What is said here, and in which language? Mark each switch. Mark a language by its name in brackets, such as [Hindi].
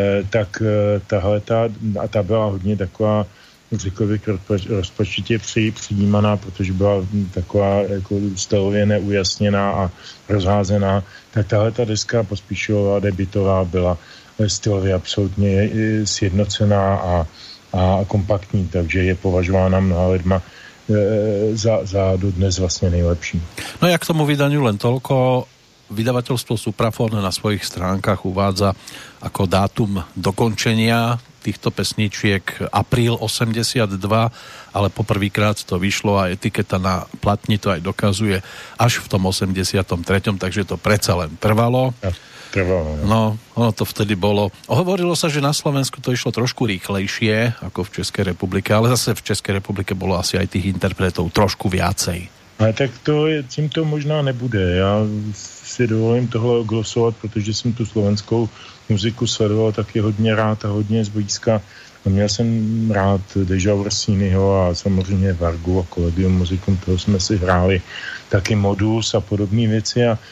[Czech] tak tahle ta, a ta byla hodně taková, řekl bych, rozpačitě přijímaná, protože byla taková jako stylově neujasněná a rozházená, tak tahle ta deska Pospíšilová debutová byla stylově absolutně sjednocená a kompaktní, takže je považována mnoha lidma za dodnes vlastně nejlepší. [Slovak] No jak tomu vydaniu len toľko, vydavateľstvo Supraphon na svojich stránkach uvádza ako dátum dokončenia týchto pesničiek apríl 82, ale poprvýkrát to vyšlo a etiketa na platni to aj dokazuje až v tom 83., takže to predsa len trvalo. No, ono to vtedy bolo. Hovorilo sa, že na Slovensku to išlo trošku rýchlejšie ako v Českej republike, ale zase v Českej republike bolo asi aj tých interpretov trošku viacej. Ale tak to je, tým to možná nebude. Ja si dovolím [Czech] tohle [Slovak] glosovať, pretože som tu slovenskou muziku sledoval taky hodne rád a hodne zblízka. [Czech] A měl jsem rád Deja Vrsínyho a samozřejmě Vargu a Collegium Musicum, toho jsme si hráli, taky Modus a podobné věci.